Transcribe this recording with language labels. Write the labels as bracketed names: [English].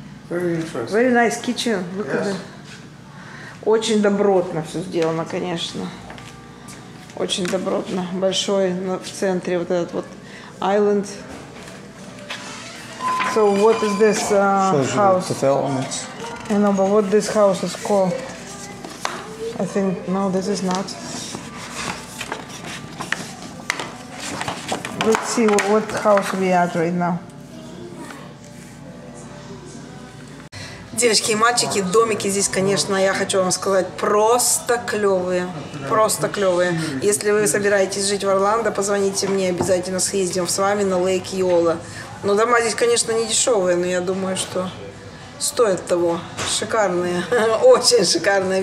[English] Very interesting. Very nice kitchen. Yes. [Russian] Очень добротно все сделано, конечно. Очень добротно. Большой в центре вот этот вот island. [English] So what is this house? The elements. I know, but what this house is called? I think no, this is not. Let's see what house we at right now. [Russian] Девочки и мальчики, домики здесь, конечно, я хочу вам сказать, просто клевые. Просто клевые. Если вы собираетесь жить в Орландо, позвоните мне, обязательно съездим с вами на Лейк Йола. Но дома здесь, конечно, не дешевые, но я думаю, что стоят того. Шикарные. Очень шикарные.